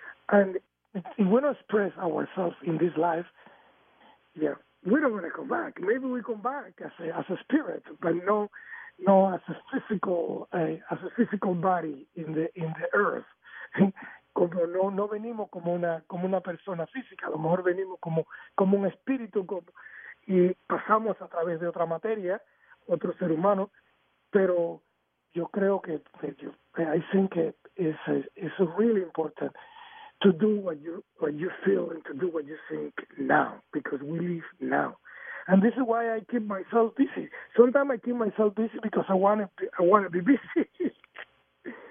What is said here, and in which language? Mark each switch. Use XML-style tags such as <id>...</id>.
<en>And if we don't express ourselves in this life, we don't want to come back. Maybe we come back as a spirit, but no as a physical body in the earth.</en> <es>Como no venimos como una persona física. A lo mejor venimos como un espíritu, como, y pasamos a través de otra materia, otro ser humano. Pero yo creo que</es> <en>it's really important to do what you feel and to do what you think now, because we live now. And this is why I keep myself busy. Sometimes I keep myself busy because I want to be busy.</en>